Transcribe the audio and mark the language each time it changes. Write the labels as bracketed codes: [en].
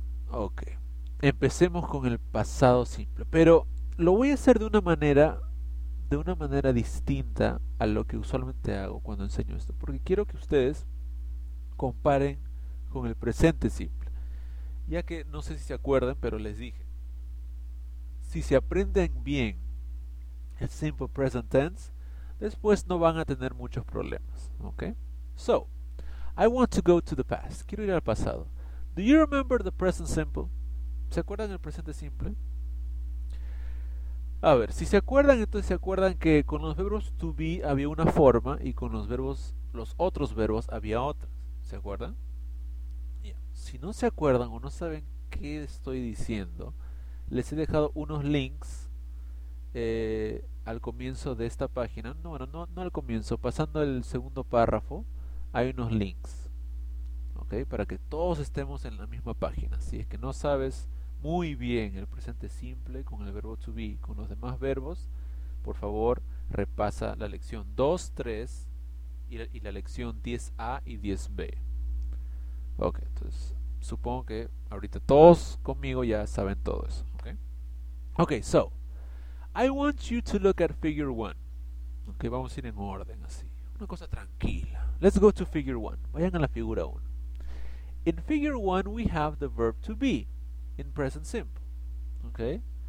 [es] Ok. Empecemos con el pasado simple, pero lo voy a hacer de una manera distinta a lo que usualmente hago cuando enseño esto, porque quiero que ustedes comparen con el presente simple, ya que no sé si se acuerdan, pero les dije, si se aprenden bien simple present tense, después no van a tener muchos problemas, okay? [en] So, I want to go to the past. [es] Quiero ir al pasado. [en] Do you remember the present simple? [es] ¿Se acuerdan del presente simple? A ver, si se acuerdan, entonces se acuerdan que con los verbos to be había una forma y con los verbos, los otros verbos había otras. ¿Se acuerdan? Yeah. Si no se acuerdan o no saben qué estoy diciendo, les he dejado unos links al comienzo de esta página. No, bueno, no al comienzo, pasando el segundo párrafo, hay unos links. ¿Ok? Para que todos estemos en la misma página. Si es que no sabes muy bien el presente simple con el verbo to be, con los demás verbos, por favor, repasa la lección 2, 3 y la lección 10A y 10B. Ok, entonces supongo que ahorita todos conmigo ya saben todo eso. [en] Ok, so, I want you to look at figure 1. [es] Ok, vamos a ir en orden así. Una cosa tranquila. [en] Let's go to figure 1. [es] Vayan a la figura 1. [en] In figure 1, we have the verb to be in present simple. Okay?